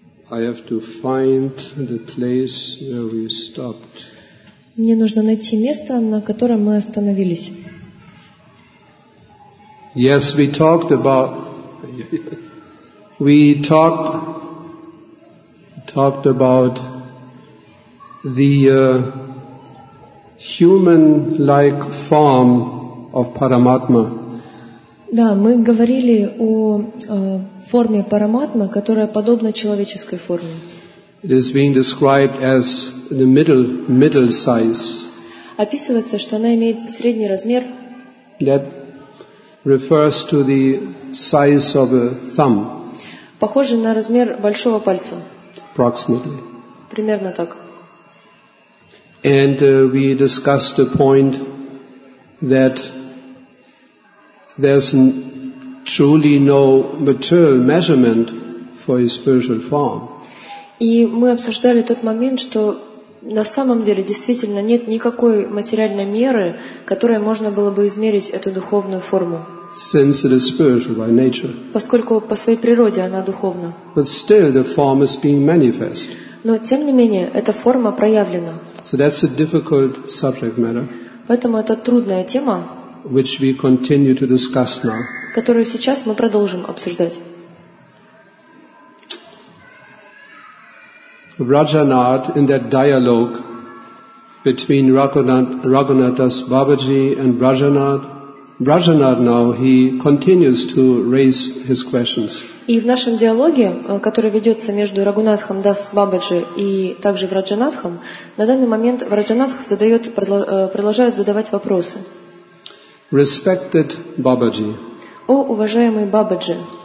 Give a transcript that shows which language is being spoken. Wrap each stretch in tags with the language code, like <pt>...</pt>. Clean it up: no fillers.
<en>I have to find the place where we stopped.</en> <ru>Мне нужно найти место, на котором мы остановились.</ru> <en>Yes, we talked about we talked about the human-like form of Paramatma.</en> <ru>Да, мы говорили о форме Параматмы, которая подобна человеческой форме.</ru> <en>It is being described as the middle size.</en> <ru>Описывается, что она имеет средний размер.</ru> <en>That refers to the size of a thumb.</en> <ru>Похоже на размер большого пальца.</ru> <en>Approximately.</en> <ru>Примерно так.</ru> <en>And we discussed the point that there's truly no material measurement for a spiritual form.</en> <ru>И мы обсуждали тот момент, что на самом деле действительно нет никакой материальной меры, которой можно было бы измерить эту духовную форму.</ru> <en>Since it is spiritual by nature.</en> <ru>Поскольку по своей природе она духовна.</ru> <en>But still the form is being manifest.</en> <ru>Но тем не менее эта форма проявлена.</ru> <en>So that's a difficult subject matter.</en> <ru>Поэтому это трудная тема.</ru> <en>Which we continue to discuss now.</en> <ru>Которую сейчас мы продолжим обсуждать.</ru> <en>Rajanath in that dialogue between Raghunathas Babaji and Rajanath. Rajanath now he continues to raise his questions.</en> <ru>И в нашем диалоге, который ведется между Рагунатхом Дас Бабаджи и также Раджанатхом, на данный момент Раджанатх продолжает задавать вопросы.</ru> <en>Respected Babaji.</en> <ru>О, уважаемый Бабаджи.</ru>